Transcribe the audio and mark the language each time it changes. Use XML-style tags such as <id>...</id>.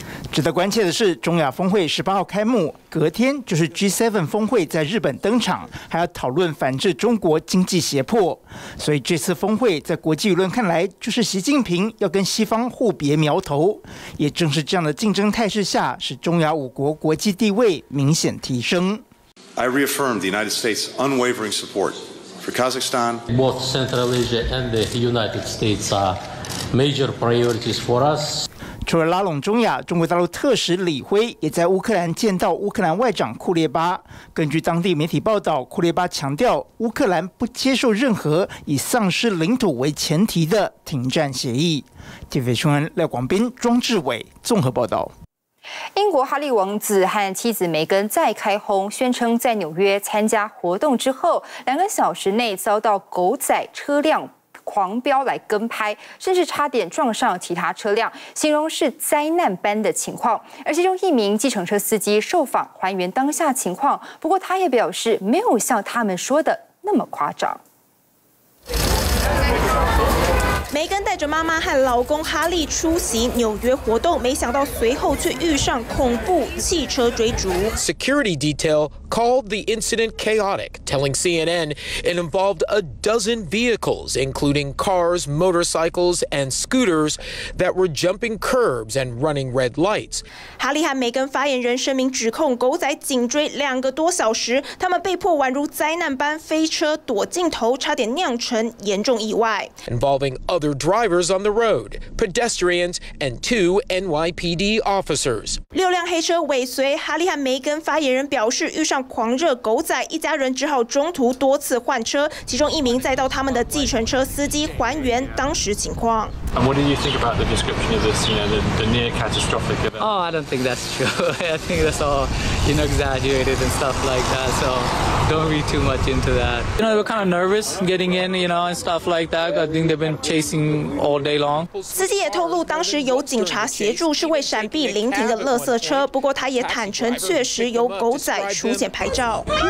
<zh>值得关切的是，中亚峰会18号开幕，隔天就是 G7 峰会在日本登场，还要讨论反制中国经济胁迫。所以这次峰会在国际舆论看来，就是习近平要跟西方互别苗头。也正是这样的竞争态势下，使中亚五国国际地位明显提升。</zh> <en>I reaffirm the United States' unwavering support for Kazakhstan. Both Central Asia and the United States are major priorities for us.</en> <zh>除了拉拢中亚，中国大陆特使李辉也在乌克兰见到乌克兰外长库列巴。根据当地媒体报道，库列巴强调乌克兰不接受任何以丧失领土为前提的停战协议。 TV 新闻廖广斌、庄志伟综合报道。英国哈利王子和妻子梅根再开轰，宣称在纽约参加活动之后，两个小时内遭到狗仔车辆狂飙来跟拍，甚至差点撞上其他车辆，形容是灾难般的情况。而其中一名计程车司机受访还原当下情况，不过他也表示没有像他们说的那么夸张。梅根带着妈妈和老公哈利出席纽约活动，没想到随后却遇上恐怖汽车追逐。</zh> <en>Security detail called the incident chaotic, telling CNN it involved a dozen vehicles, including cars, motorcycles, and scooters that were jumping curbs and running red lights.</en> <zh>哈利和梅根发言人声明指控狗仔紧追两个多小时，他们被迫宛如灾难般飞车躲镜头，差点酿成严重意外。</zh> <en>Involving other drivers on the road, pedestrians, and two NYPD officers.</en> <zh>六辆黑车尾随，哈利和梅根发言人表示遇上狂热狗仔，一家人只好中途多次换车，其中一名载到他们的计程车司机还原当时情况。</zh> <en>And what do you think about the description of this, you know, the near catastrophic event? Oh, I don't think that's true. I think that's all, you know, exaggerated and stuff like that, so don't read too much into that. You know, they were kind of nervous getting in, you know, and stuff like that. I think they've been chasing all day long.</en> <zh>司机也透露当时有警察协助是为闪避临停的垃圾车，不过他也坦诚确实有狗仔出现拍照。</zh>